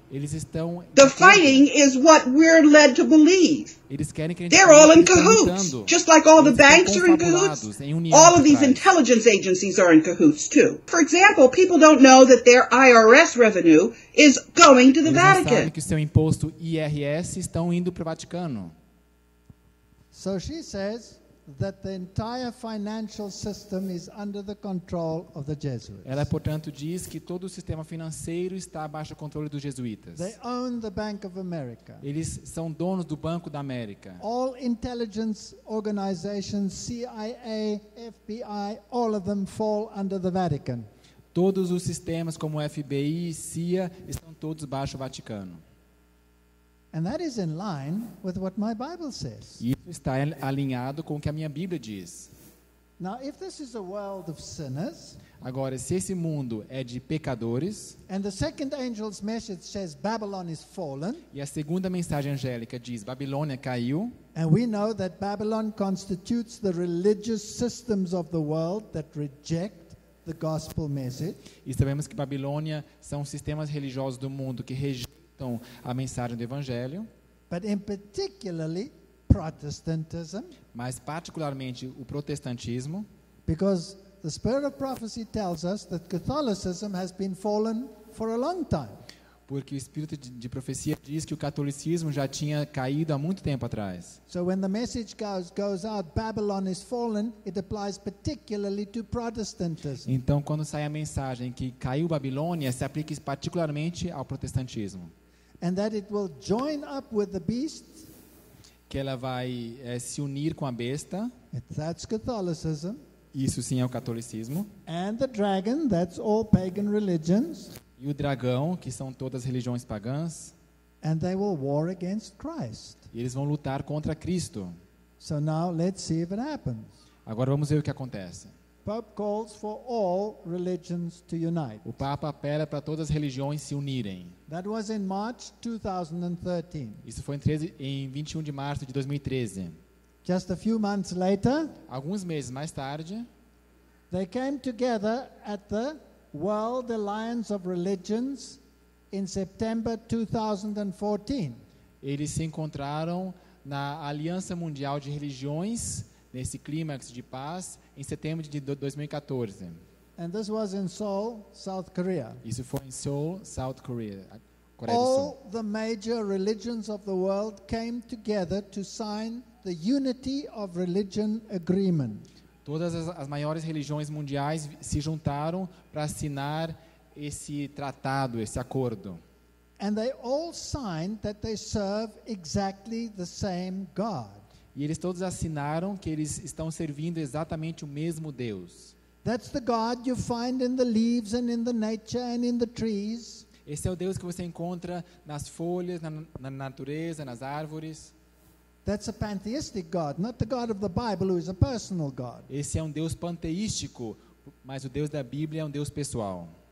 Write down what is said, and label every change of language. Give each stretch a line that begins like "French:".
Portuguese: Eles estão
English: the fighting is what we're led to believe.
Portuguese: Eles querem que a gente
English: They're all in cahoots,
Portuguese: lutando.
English: Just like all
Portuguese: eles
English: the banks are in cahoots. All of these intelligence agencies are in cahoots, too. For example, people don't know that their IRS revenue is going to the
Portuguese: eles
English: Vatican.
Portuguese: Sabem que o seu imposto IRS estão indo para o Vaticano.
English: So she says that the entire financial system is under the control of the Jesuits.
Portuguese: Ela, portanto, diz que todo o sistema financeiro está abaixo do controle dos jesuítas.
English: They own the Bank of America.
Portuguese: Eles são donos do Banco da América.
English: All intelligence organizations, CIA, FBI, all of them fall under the Vatican.
Portuguese: Todos os sistemas como FBI, CIA, estão todos abaixo do Vaticano.
English: And that is in line with what my Bible says.
Portuguese: Isso está alinhado com o que a minha Bíblia diz.
English: Now, if this is a world of sinners,
Portuguese: agora, se esse mundo é de pecadores,
English: and the second angel's message says Babylon is fallen,
Portuguese: e a segunda mensagem angélica diz Babilônia caiu,
English: and we know that Babylon constitutes the religious systems of the world that reject the gospel message.
Portuguese: E sabemos que Babilônia são os sistemas religiosos do mundo que rejeitam então, a mensagem do Evangelho,
English: but in particularly Protestantism,
Portuguese: mas particularmente o protestantismo,
English: because the spirit of prophecy tells us that Catholicism has been fallen for a long time.
Portuguese: Porque o espírito de profecia diz que o catolicismo já tinha caído há muito tempo atrás.
English: So when the message goes out, Babylon is fallen, it applies particularly to Protestantism.
Portuguese: Então, quando sai a mensagem que caiu Babilônia, se aplica particularmente ao protestantismo.
English: And that it will join up with the beast.
Portuguese: Que ela vai se unir com a besta.
English: That's Catholicism.
Portuguese: Isso sim é o catolicismo.
English: And the dragon, that's all pagan religions.
Portuguese: E o dragão, que são todas religiões pagãs.
English: And they will war against Christ.
Portuguese: E eles vão lutar contra Cristo.
English: So now let's see if it happens.
Portuguese: Agora vamos ver o que acontece.
English: Pope calls for all religions to unite.
Portuguese: O Papa apela para todas as religiões se unirem.
English: That was in March 2013.
Portuguese: Isso foi em 21 de março de 2013.
English: Just a few months later,
Portuguese: alguns meses mais tarde,
English: they came together at the World Alliance of Religions in September 2014.
Portuguese: Eles se encontraram na Aliança Mundial de Religiões nesse clímax de paz em setembro de 2014.
English: And this was in Seoul, South Korea.
Portuguese: Isso foi em Seoul, South Korea, Coreia
English: All
Portuguese: do Sul.
English: All the major religions of the world came together to sign the Unity of Religion Agreement.
Portuguese: Todas as maiores religiões mundiais se juntaram para assinar esse tratado, esse acordo.
English: And they all signed that they serve exactly the same God.
Portuguese: E eles todos assinaram que eles estão servindo exatamente o mesmo Deus.
English: That's the God you find in the leaves and in the nature and in the trees.
Portuguese: Esse é o Deus que você encontra nas folhas, na natureza, nas árvores.
English: That's a pantheistic God, not the God of the Bible, who is a personal God.
Portuguese: Esse é um Deus panteístico, mas o Deus da Bíblia é um Deus pessoal.